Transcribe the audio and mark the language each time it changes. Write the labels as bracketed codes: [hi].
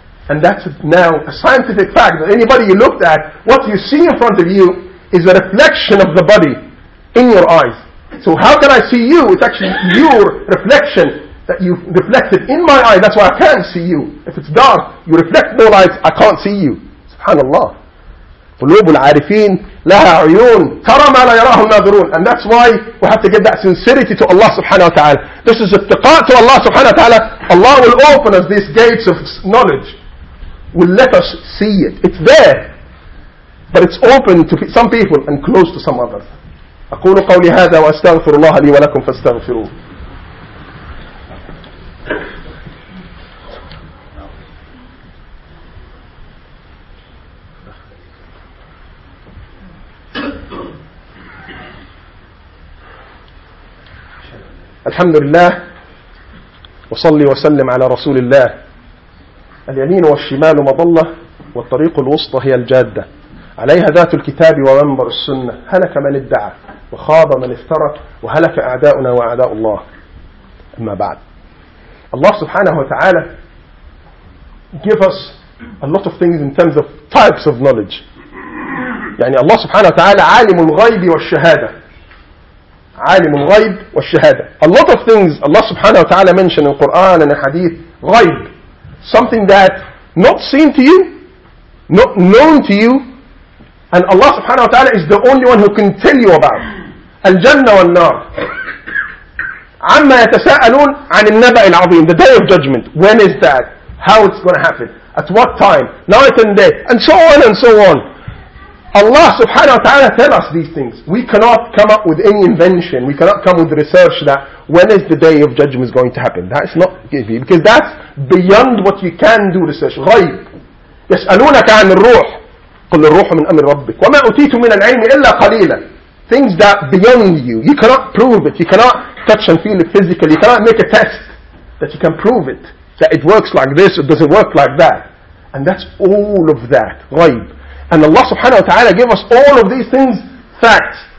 [en] And that's now a scientific fact that anybody you looked at, what you see in front of you is a reflection of the body in your eyes. So how can I see you? It's actually your reflection that you reflected in my eye. That's why I can't see you. If it's dark, you reflect no light, I can't see you. SubhanAllah. [ar] قلوب العارفين لها عيون ترى ما لا يراه الناظرون. [en] And that's why we have to get that sincerity to Allah subhanahu wa ta'ala. This is اتقاء to Allah subhanahu wa ta'ala. Allah will open us these gates of knowledge, will let us see it. It's there, but it's open to some people and closed to some others. [ar] أقول قولي هذا وأستغفر الله لي ولكم فاستغفروه. الحمد لله وصلي وسلم على رسول الله. اليمين والشمال مضلة والطريق الوسطى هي الجادة عليها ذات الكتاب ومنبر السنة. هلك من ادعى وخاب من افترى وهلك أعداؤنا وأعداء الله. أما بعد, الله سبحانه وتعالى [en] give us a lot of things in terms of types of knowledge. [ar] يعني الله سبحانه وتعالى عالم الغيب والشهادة, عالم الغيب والشهادة. [en] A lot of things Allah subhanahu wa ta'ala mentioned in Quran and in Hadith. غيب, something that not seen to you, not known to you, and Allah subhanahu wa ta'ala is the only one who can tell you about. [ar] الجنة والنار عما يتساءلون عن النبأ العظيم, [en] the day of judgment. When is that? How it's going to happen? At what time? Night and day, and so on and so on. Allah subhanahu wa ta'ala tell us these things. We cannot come up with any invention. We cannot come with research that when is the day of judgment is going to happen. That's not easy, because that's beyond what you can do research. [ar] غيب. يسألونك عن الروح قل الروح من أمر ربك وما أتيت من العلم إلا قليلا. [en] Things that beyond you, you cannot prove it. You cannot touch and feel it physically. You cannot make a test that you can prove it, that it works like this or does it work like that. And that's all of that. غيب. And Allah subhanahu wa ta'ala gave us all of these things, facts.